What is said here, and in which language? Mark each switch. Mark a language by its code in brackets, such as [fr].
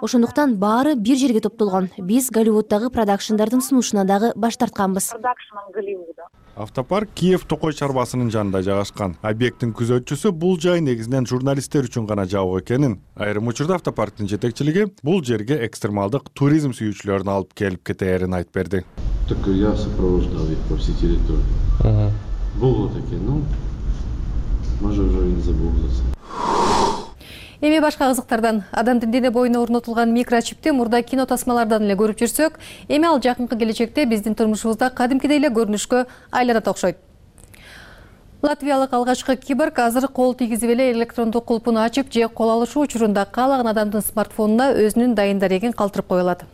[ky] Ошондуктан баары бир жерге топтолгон. Биз Голливуддагы продакшндардын сунушуна дагы баш тартканбыз. Автопарк Киев Токой чарбасынын жанында жайгашкан. Объекттин күзөтчүсү бул жай негизинен журналисттер үчүн гана жабык экенин, айрым учурда автопарктын жетекчилиги бул жерге экстремалдык туризм сүйүүчүлөрүн алып келип кетээрин айтып берди. [ru] Так я сопровождал их по всей территории. [ky] Болгон экен, [ru] может уже и не забылся. [ky] Эми башка кызыктардан. Адамдын дене боюна орнотулган микрочипти мурда кино тасмалардан эле көрүп жүрсөк, эми ал жакынкы келечекте биздин турмушубузда кадимкидей эле көрүнүшкө айланат окшойт. Латвиялык алгачкы киборг азыр кол тийгизип эле электрондук кулпун ачып же кол алышуу учурунда каалаган адамдын смартфонуна өзүнүн дайын дарегин калтырып кое алат.